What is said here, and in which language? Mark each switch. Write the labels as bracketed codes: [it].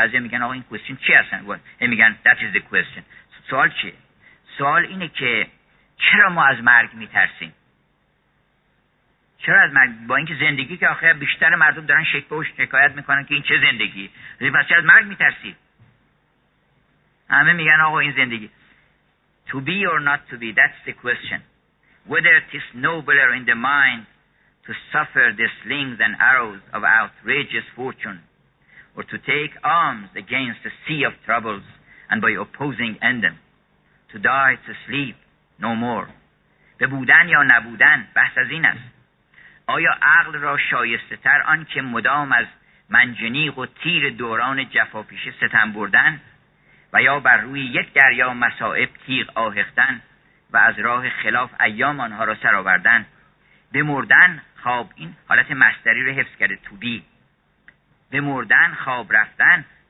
[fa] بعضی میگن آقا این question چی هستن، میگن [en] that is the question. [fa] سوال چیه؟ سوال اینه که چرا ما از مرگ میترسیم؟ چرا از مرگ؟ با اینکه زندگی که آخر بیشتر مردم دارن شک به شکایت میکنن که این چه زندگی، پس چرا از مرگ میترسی؟ همه میگن آقا این زندگی، [en] to be or not to be, that's the question. Whether it is nobler in the mind to suffer the slings and arrows of outrageous fortune, or to take arms against a sea of troubles and by opposing end them, to die to sleep no more. [fa] به بودن یا نبودن بحث از این است. آیا عقل را شایسته تر آن که مدام از منجنیق و تیر دوران جفاپیشه ستم بردن، و یا بر روی یک دریا مصائب تیغ آهختن و از راه خلاف ایام آنها را سرآوردن، بمردن خواب، این حالت مستری را حفظ کرده توبی، بمردن خواب رفتن